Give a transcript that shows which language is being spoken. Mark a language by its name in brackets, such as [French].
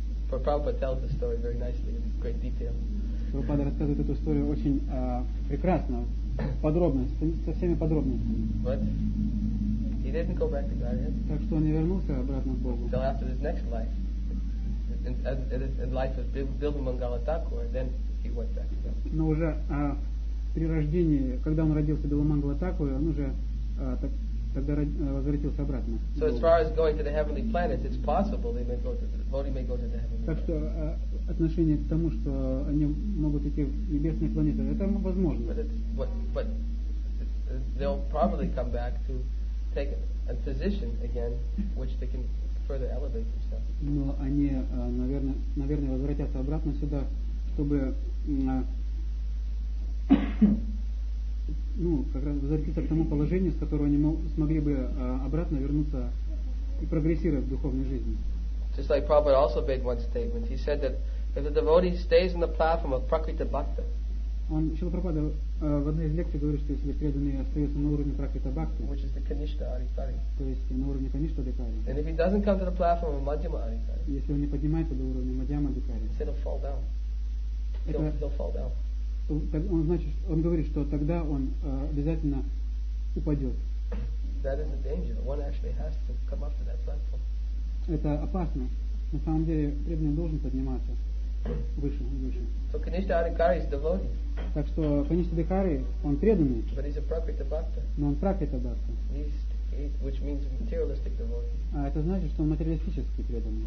[English] But Prabhupada tells the story very nicely in great detail. [Russian] Prabhupada рассказывает эту историю очень прекрасно, подробно, со всеми подробностями. [English] What? He didn't go back to God yet. [Russian] Так что он не вернулся обратно к Богу. [English] Until after his next life. In life of Bilbo Mangala Thakur, then he went back to God. [Russian] Но уже при рождении, когда он родился Бильбо Мангала Такуре, он уже так когда возвратился обратно. [English] So as far as going to the heavenly planets, it's possible they may go to the body may go to the heavenly planets. [Russian] Так что отношение к тому, что они могут идти в небесные планеты, это возможно. [English] But they'll probably come back to take a position again, which they can further elevate themselves. [Russian] Но они, наверное, возвратятся обратно сюда, чтобы ну, как раз возвратиться к тому положению, с которого они смогли бы обратно вернуться и прогрессировать в духовной жизни. [English] Just like Prabhupada also made one statement. He said that if the devotee stays on the platform of Prakriti Bhakta. [Russian] Он, Шрила Прабхупада, в одной из лекций говорит, что если преданный остается на уровне Пракрита Бхакти, [English] which is the Kanishtha Adhikari, [Russian] то есть на уровне Kanishtha Adhikari, [English] and if he doesn't come to the platform of Madhyama Adhikari, [Russian] если он не поднимается до уровня Madhyama Adhikari, [English] he said he'll fall down. He'll fall down. [Russian] Он значит, он говорит, что тогда он обязательно упадет. [English] That is a danger. One actually has to come up to that platform. [Russian] Это опасно. На самом деле преданный должен подниматься выше и выше. [English] So Kanishtha Adhikari is devotee. [Russian] Так что Kanishtha Adhikari, он преданный. [English] But he's a Prakriti Bhakta. [Russian] Но он Prakriti Bhakta. [English] Which means materialistic devotee. [Russian] А это значит, что он материалистический преданный.